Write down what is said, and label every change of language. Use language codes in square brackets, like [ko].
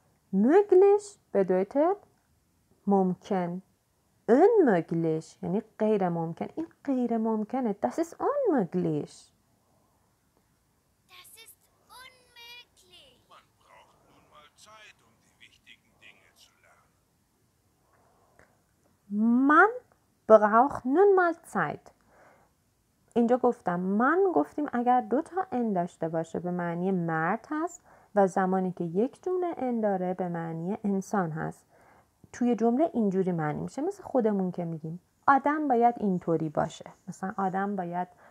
[de] Möglich bedeutet ممکن. [fa] Unmöglich یعنی غیر ممکن. این غیر ممکنه. [de] Das ist unmöglich. Das ist unmöglich. Man braucht nun mal Zeit, die wichtigen Dinge zu lernen. Man braucht nun mal Zeit. [fa] اینجا گفتم من گفتیم اگر دو تا ان داشته باشه به معنی مرد هست و زمانی که یک دونه ان داره به معنی انسان هست توی جمله اینجوری معنی میشه مثل خودمون که میگیم آدم باید اینطوری باشه مثلا آدم باید